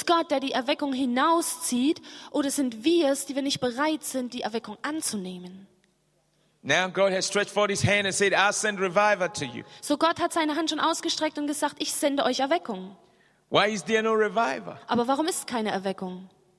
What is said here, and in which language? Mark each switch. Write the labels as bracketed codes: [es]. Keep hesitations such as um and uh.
[de] der die Erweckung hinauszieht oder sind wir es, die wir nicht bereit sind, die Erweckung anzunehmen? [en] Now God has stretched forth his hand and said, I send revival to you. [de] So Gott hat seine Hand schon ausgestreckt und gesagt, ich sende euch Erweckung. [en] Why is there no revival? [de] Aber warum ist keine Erweckung?